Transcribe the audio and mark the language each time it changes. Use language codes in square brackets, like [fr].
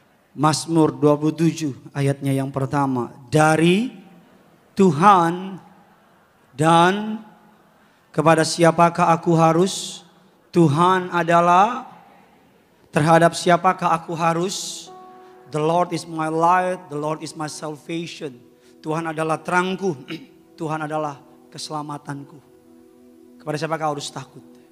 [id] Mazmur 27, ayatnya yang pertama. Dari Tuhan dan kepada siapakah aku harus? Tuhan adalah terhadap siapakah aku harus? [en] The Lord is my light, the Lord is my salvation. [id] Tuhan adalah terangku, Tuhan adalah keselamatanku. Kepada siapakah harus takut?